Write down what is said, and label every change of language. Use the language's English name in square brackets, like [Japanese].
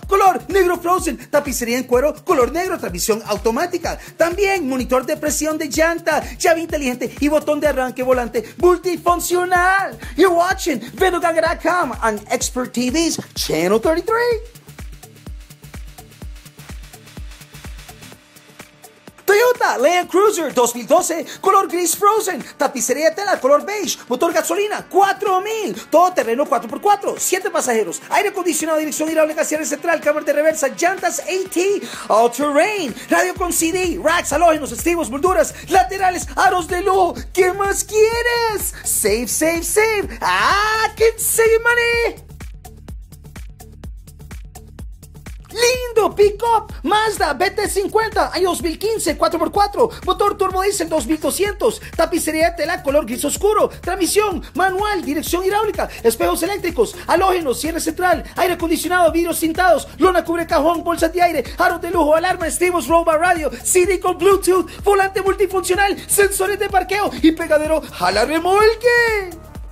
[Spanish] Color negro frozen, tapicería en cuero, color negro, transmisión automática. También monitor de presión de llanta, llave inteligente y botón de arranque volante multifuncional. [English] You're watching Vendoganga.com on Expert TV's Channel 33. [Spanish] Toyota Land Cruiser 2012, color gris frozen, tapicería de tela, color beige, motor gasolina, 4000, todo terreno 4x4, 7 pasajeros, aire acondicionado, dirección hidráulica, cierre central, cámara de reversa, llantas AT, all terrain, radio con CD, racks, halógenos, estribos, molduras, laterales, aros de lujo, ¿qué más quieres? [English] Save, save, save, can save money. [Spanish] ¡Lindo! Pick-up Mazda BT50, año 2015, 4x4, motor turbodiesel 2200, tapicería de tela color gris oscuro, transmisión, manual, dirección hidráulica, espejos eléctricos, halógenos, cierre central, aire acondicionado, vidrios tintados, lona cubre cajón, bolsas de aire, aros de lujo, alarma, estribos, roba radio, CD con Bluetooth, volante multifuncional, sensores de parqueo y pegadero jala remolque.